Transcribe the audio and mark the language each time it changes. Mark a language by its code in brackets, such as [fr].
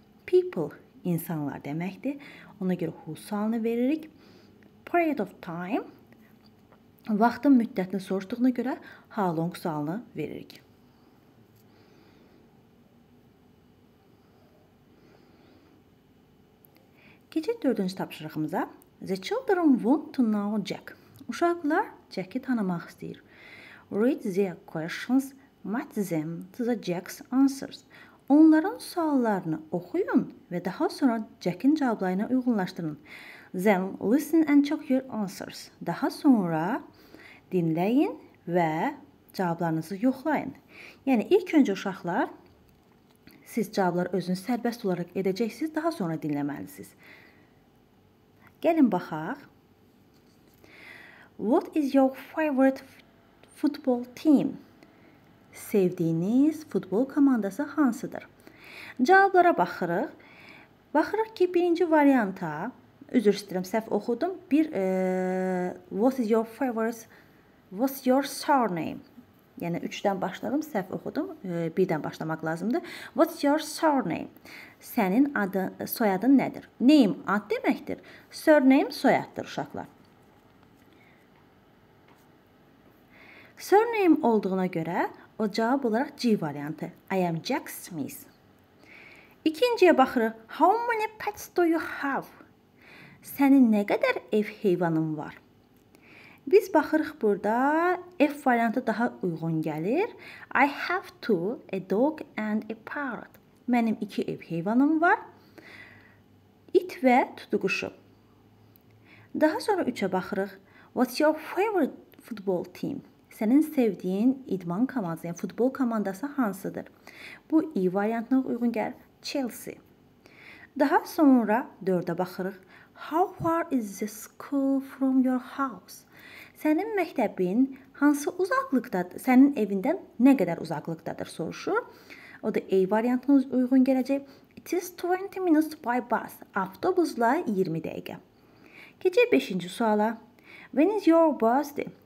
[az] People, insanlar deməkdir. Ona görə who sualını veririk. [en] Period of time, [az] vaxtın müddətini soruşduğuna görə, how long sualını veririk. Keçək 4-cü tapşırığımıza. [en] The children want to know Jack. [az] Uşaqlar Jack'i tanımaq istəyir. [en] Read their questions, match them to the Jack's answers. [az] Onların suallarını oxuyun və daha sonra Jack'in cavablarına uyğunlaşdırın. [en] Then listen and check your answers. [az] Daha sonra dinləyin və cavablarınızı yoxlayın. Yəni ilk öncə uşaqlar, siz cavablar özünüz sərbəst olaraq edəcəksiniz, daha sonra dinləməlisiniz. Gəlin baxaq. [en] What is your favorite football team? [az] Sevdiğiniz futbol komandası hansıdır? Cavablara baxırıq. Baxırıq ki, birinci varianta, özür istəyirəm, səhv oxudum. [en] Bir, what is your favorite, what's your surname? [az] Yəni, üçdən başladım, səhv oxudum, birdən başlamaq lazımdır. [en] What's your surname? [az] Sənin adı, soyadın nədir? Name ad deməkdir. Surname soyaddır uşaqlar. Surname olduğuna görə o cavab olaraq C variantı. [en] I am Jack Smith. [az] İkinciyə baxırıq. [en] How many pets do you have? [az] Sənin nə qədər ev heyvanın var? Biz baxırıq burada. F variantı daha uyğun gəlir. [en] I have two, a dog and a parrot. [az] Mənim iki ev heyvanım var. İt və tutuquşu. Daha sonra üçə baxırıq. [en] What's your favorite football team? [az] Sənin sevdiyin idman komandası, yəni futbol komandası hansıdır? Bu E variantına uyğun gəlir. Chelsea. Daha sonra dördə baxırıq. [en] How far is the school from your house? [az] Sənin məktəbin hansı uzaqlıqdadır? Sənin evindən nə qədər uzaqlıqdadır soruşur. O da A variantına uyğun gələcək. [en] It is 20 minutes by bus. [az] Avtobusla 20 dəqiqə. Keçək 5-ci suala. [en] When is your birthday?